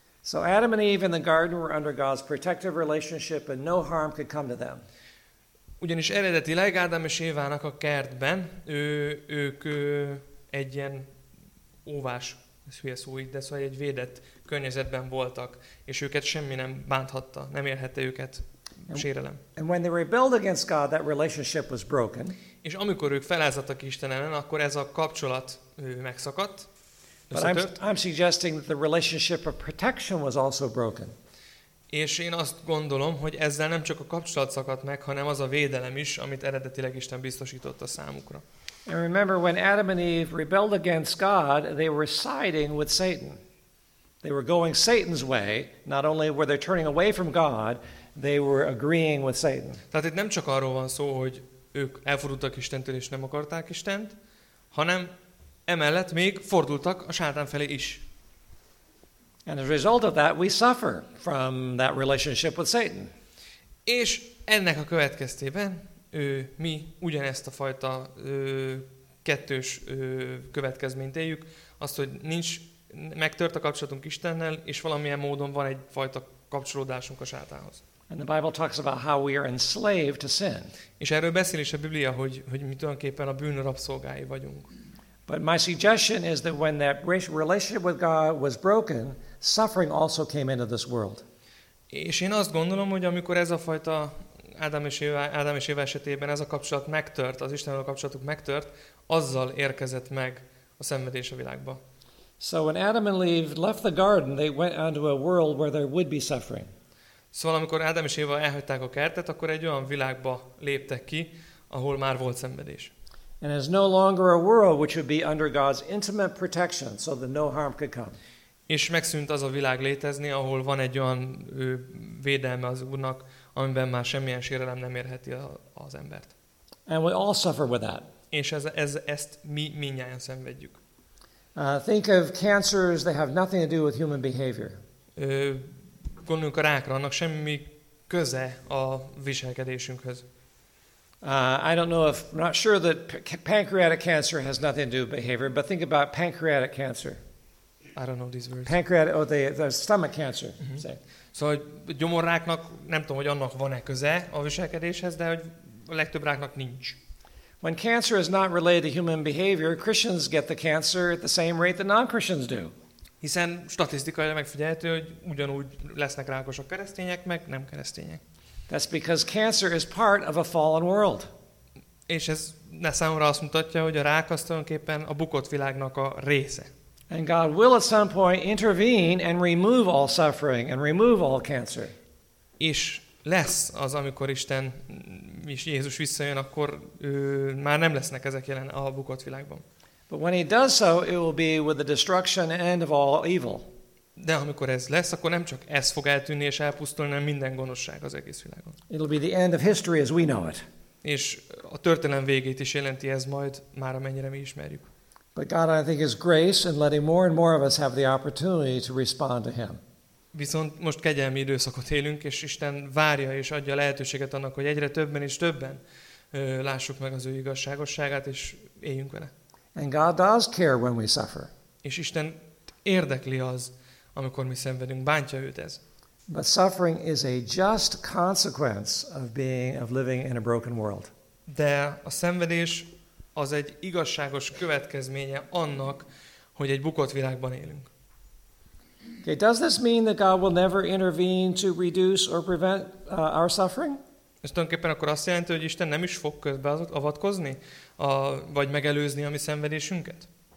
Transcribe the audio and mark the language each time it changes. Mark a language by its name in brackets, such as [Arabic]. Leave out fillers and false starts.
[English] So Adam and Eve in the garden were under God's protective relationship and no harm could come to them. [Hungarian] Ugyanis eredetileg Ádám és Évának a kertben ők egy ilyen óvás, ez hülye szó így, de szóval egy védett környezetben voltak, és őket semmi nem bánthatta, nem érhette őket sérelem. [English] And when they rebelled against God, that relationship was broken. [Hungarian] És amikor ők felázadtak Isten ellen, akkor ez a kapcsolat megszakadt, összetört. [English] But I'm suggesting that the relationship of protection was also broken. [Hungarian] És én azt gondolom, hogy ezzel nem csak a kapcsolat szakadt meg, hanem az a védelem is, amit eredetileg Isten biztosította számukra. [English] And remember when Adam and Eve rebelled against God, they were siding with Satan. They were going Satan's way, not only were they turning away from God, they were agreeing with Satan. [Hungarian] Tehát itt nem csak arról van szó, hogy ők elfordultak Istentől és nem akarták Istent, hanem emellett még fordultak a Sátán felé is. [English] And as a result of that, we suffer from that relationship with Satan. [Hungarian] És ennek a következtében mi ugyanezt a fajta kettős következményt éljük, azt, hogy nincs megtört a kapcsolatunk Istennel, és valamilyen módon van egy fajta kapcsolódásunk a Sátánhoz. [English] And the Bible talks about how we are enslaved to sin. [Hungarian] És erről beszél is a Biblia, hogy mi tulajdonképpen a bűn rabszolgái vagyunk. [English] But my suggestion is that when that relationship with God was broken, suffering also came into this world. [Hungarian] És én azt gondolom, hogy amikor ez a fajta Ádám és Éva esetében ez a kapcsolat megtört, az Istennel a kapcsolatuk megtört, azzal érkezett meg a szenvedés a világba. [English] So when Adam and Eve left the garden, they went onto a world where there would be suffering. [Hungarian] Szóval amikor Ádám és Éva elhagyták a kertet, akkor egy olyan világba léptek ki, ahol már volt szenvedés. [English] And is no longer a world which would be under God's intimate protection, so that no harm could come. [Hungarian] És megszűnt az a világ létezni, ahol van egy olyan védelme az Úrnak, amiben már semmilyen sérelem nem érheti az embert. [English] And we all suffer with that. [Hungarian] És ezt mi mindnyájan szenvedjük. [English] Think of cancers, they have nothing to do with human behavior. [Hungarian] Gondoljunk a rákra, annak semmi köze a viselkedésünkhöz. [English] I don't know if I'm not sure that pancreatic cancer has nothing to do with behavior, but think about pancreatic cancer. I don't know these words. Pancreatic, the stomach cancer. Mm-hmm. Say. [Hungarian] So a gyomorráknak nem tudom, hogy annak van-e köze a viselkedéshez, de hogy a legtöbb ráknak nincs. [English] When cancer is not related to human behavior, Christians get the cancer at the same rate that non-Christians do. [Hungarian] Hiszen statisztikailag megfigyelhető, hogy ugyanúgy lesznek rákosak keresztények, meg nem keresztények. [English] That's because cancer is part of a fallen world. [Hungarian] És ez ne számomra azt mutatja, hogy a rák az tulajdonképpen a bukott világnak a része. [English] And God will at some point intervene and remove all suffering and remove all cancer. [Hungarian] És lesz az, amikor Isten és Jézus visszajön, akkor már nem lesznek ezek jelen a bukott világban. [English] But when he does so, it will be with the destruction and of all evil. [Hungarian] De amikor ez lesz, akkor nem csak ez fog eltűnni és elpusztulni, hanem minden gonoszság az egész világon. [English] It will be the end of history as we know it. [Hungarian] És a történelem végét is jelenti ez majd, már amennyire mi ismerjük. [English] But God, I think, is grace in letting more and more of us have the opportunity to respond to him. [Hungarian] Viszont most kegyelmi időszakot élünk, és Isten várja és adja lehetőséget annak, hogy egyre többen és többen lássuk meg az ő igazságosságát, és éljünk vele. [English] And God does care when we suffer. [Hungarian] És Isten érdekli az, amikor mi szenvedünk, bántja őt ez. [English] But suffering is a just consequence of being of living in a broken world. [Hungarian] De a szenvedés az egy igazságos következménye annak, hogy egy bukott világban élünk. [English] Okay, does this mean that God will never intervene to reduce or prevent our suffering? [Hungarian] Ez tulajdonképpen akkor azt jelenti, hogy Isten nem is fog közbeavatkozni, vagy megelőzni a mi szenvedésünket?